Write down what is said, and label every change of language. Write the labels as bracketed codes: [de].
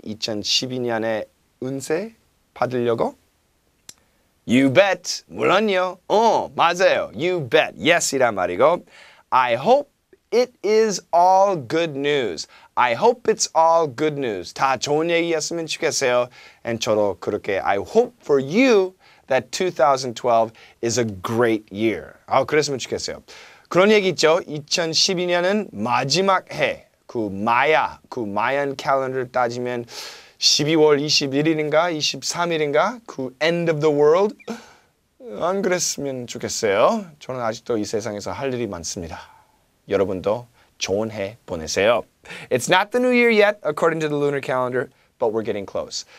[ko] 2012년의 운세 받으려고. [en] You bet. [ko] 물론요. 맞아요. You bet. [en] Yes [ko] 이란 말이고. [en] I hope. It is all good news. I hope it's all good news. [ko] 다 좋은 얘기였으면 좋겠어요. [en] And [ko] 저도 그렇게 [en] I hope for you that 2012 is a great year. [ko] 아, 그랬으면 좋겠어요. 그런 얘기 있죠. 2012년은 마지막 해. 그 마야, 그 마얀 캘린더를 따지면 12월 21일인가 23일인가 그 [en] end of the world. [ko] 안 그랬으면 좋겠어요. 저는 아직도 이 세상에서 할 일이 많습니다. 여러분도 좋은 해 보내세요. [en] It's not the new year yet, according to the lunar calendar, but we're getting close.